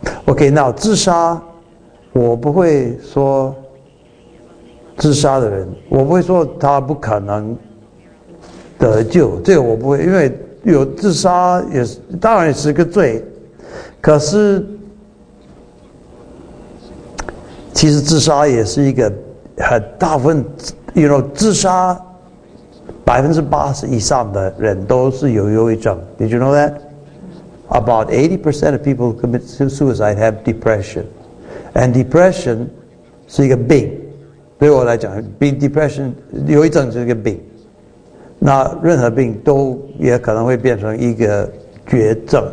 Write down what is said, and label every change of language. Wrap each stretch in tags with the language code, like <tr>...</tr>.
<zh>OK， 那自杀，我不会说自杀的人，我不会说他不可能得救，这个我不会，因为有自杀也是，当然也是个罪，可是其实自杀也是一个很大部分，</zh> <en>you know，</en> <zh>自杀80%以上的人都是有忧郁症。</zh> <en>Did you know that? About 80% of people who commit suicide have depression. And depression</en> <zh>是一个病，对我来讲，病 depression 忧郁症是一个病。那任何病都也可能会变成一个绝症。</zh>